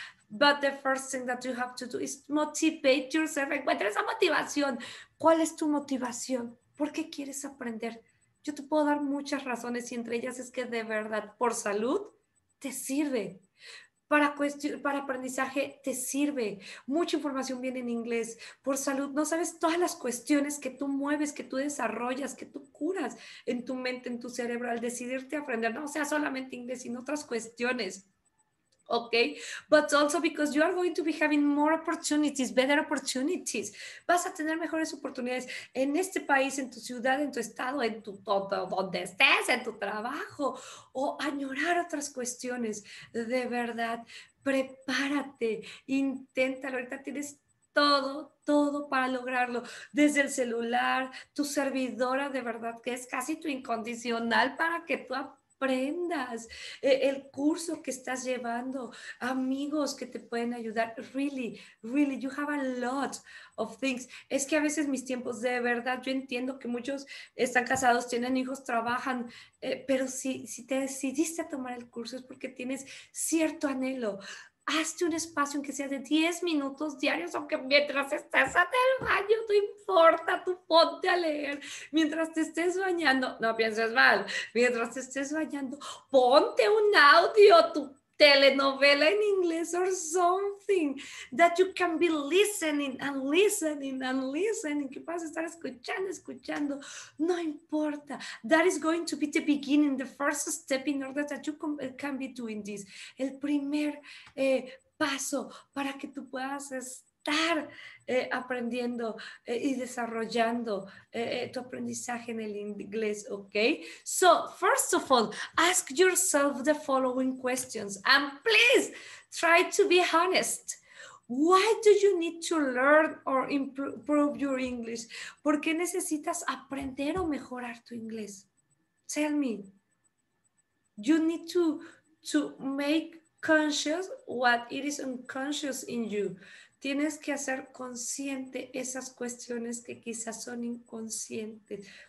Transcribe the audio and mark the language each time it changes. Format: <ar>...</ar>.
<en>But the first thing that you have to do is motivate yourself.</en> <es>Encuentra esa motivación. ¿Cuál es tu motivación? ¿Por qué quieres aprender? Yo te puedo dar muchas razones y entre ellas es que de verdad, por salud, te sirve. Para aprendizaje, te sirve. Mucha información viene en inglés. Por salud, no sabes todas las cuestiones que tú mueves, que tú desarrollas, que tú curas en tu mente, en tu cerebro, al decidirte a aprender. No sea solamente inglés, sino otras cuestiones.</es> <en>Okay, but also because you are going to be having more opportunities, better opportunities.</en> <es>Vas a tener mejores oportunidades en este país, en tu ciudad, en tu estado, en tu todo, donde estés, en tu trabajo, o añorar otras cuestiones. De verdad, prepárate, inténtalo. Ahorita tienes todo, todo para lograrlo. Desde el celular, tu servidora, de verdad, que es casi tu incondicional para que tú aprendas el curso que estás llevando, amigos que te pueden ayudar.</es> <en>Really, really, you have a lot of things.</en> <es>Es que a veces mis tiempos, de verdad, yo entiendo que muchos están casados, tienen hijos, trabajan, pero si te decidiste a tomar el curso es porque tienes cierto anhelo. Hazte un espacio, aunque sea de 10 minutos diarios, aunque mientras estés en el baño, no importa, tú ponte a leer. Mientras te estés bañando, no pienses mal, mientras te estés bañando, ponte un audio, tu telenovela en inglés</es> <en>or something that you can be listening and listening and listening,</en> <es>que puedas estar escuchando, escuchando. No importa.</es> <en>That is going to be the beginning, the first step in order that you can be doing this.</en> <es>El primer paso para que tú puedas estar estar aprendiendo y desarrollando tu aprendizaje en el inglés, okay?</es> <en>So, first of all, ask yourself the following questions and please try to be honest. Why do you need to learn or improve your English?</en> <es>¿Por qué necesitas aprender o mejorar tu inglés?</es> <en>Tell me. You need to make conscious what it is unconscious in you.</en> <es>Tienes que hacer consciente esas cuestiones que quizás son inconscientes.</es>